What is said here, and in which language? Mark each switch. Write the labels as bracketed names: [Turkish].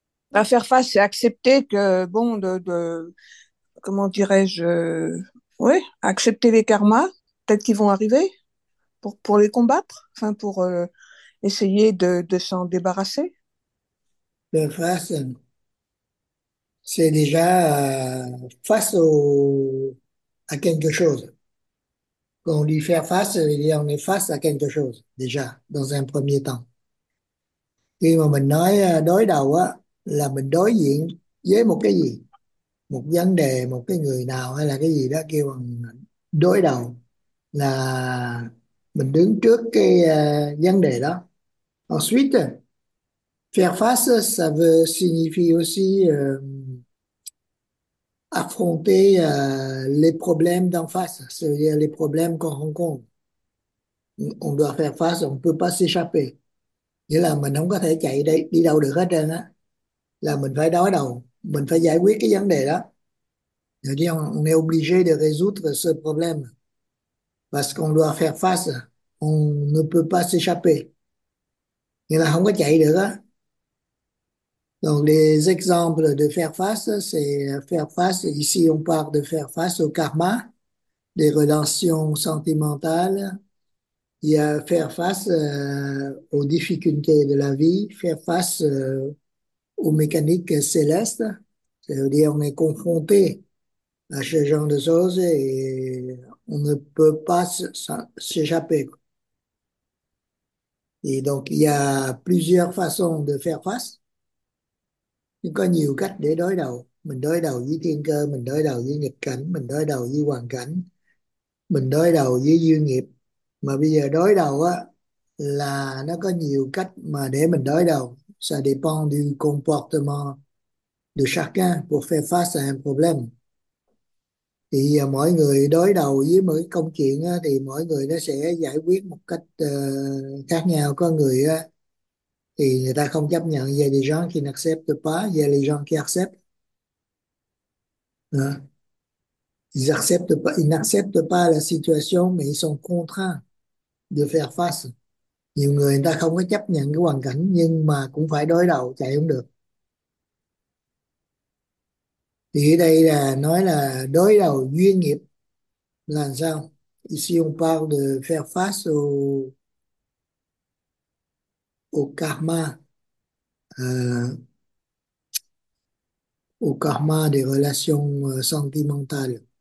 [French] À faire face, c'est accepter que, bon, comment dirais-je, oui, accepter les karmas, peut-être qu'ils vont arriver, pour les combattre, enfin, pour essayer de s'en débarrasser. Faire face, c'est déjà face au, à quelque chose. Quand on dit faire face, on est face à quelque chose, déjà, dans un premier temps. [Vietnamese] Khi mà mình nói đối đầu á, là mình đối diện với một cái gì, một vấn đề, một cái người nào hay là cái gì đó kêu bằng đối đầu, là mình đứng trước cái vấn đề đó. [French] Ensuite, faire face, ça veut signifier aussi affronter les problèmes d'en face, c'est-à-dire les problèmes qu'on rencontre. On doit faire face, on ne peut pas s'échapper. [Vietnamese] Nghĩa là mình không có thể chạy đi đâu được hết trơn á, là mình phải đối đầu, mình phải giải quyết cái vấn đề đó. Nghĩa là [French] on est obligé de résoudre ce problème parce qu'on doit faire face, on ne peut pas s'échapper. [Vietnamese] Nghĩa là không có chạy được á. [French] Donc les exemples de faire face, c'est faire face, ici on parle de faire face au karma, des relations sentimentales. Il y a faire face aux difficultés de la vie, faire face aux mécaniques célestes, c'est-à-dire on est confronté à ce genre de choses et on ne peut pas s'échapper. Et donc il y a plusieurs façons de faire face. Il y a [Vietnamese] nhiều cách để đối đầu. Mình đối đầu với thiên cơ, mình đối đầu với nghịch cảnh, mình đối đầu với hoàn cảnh, mình đối đầu với duyên nghiệp. Mà bây giờ đối đầu á là nó có nhiều cách mà để mình đối đầu. [French] Ça dépend du comportement de chacun pour faire face à un problème. [Vietnamese] Thì mỗi người đối đầu với mỗi công chuyện á, thì mỗi người nó sẽ giải quyết một cách khác nhau. Có người á, thì người ta không chấp nhận. [French] Il y a des gens qui n'acceptent pas, il y a des gens qui acceptent. Ils n'acceptent pas la situation, mais ils sont contraints de faire face. [Vietnamese] Nhiều người người ta không có chấp nhận cái hoàn cảnh, nhưng mà cũng phải đối đầu, chạy không được. Thì ở đây là nói là đối đầu duyên nghiệp là sao? [French] Ici on parle de faire face au karma, au karma des relations sentimentales.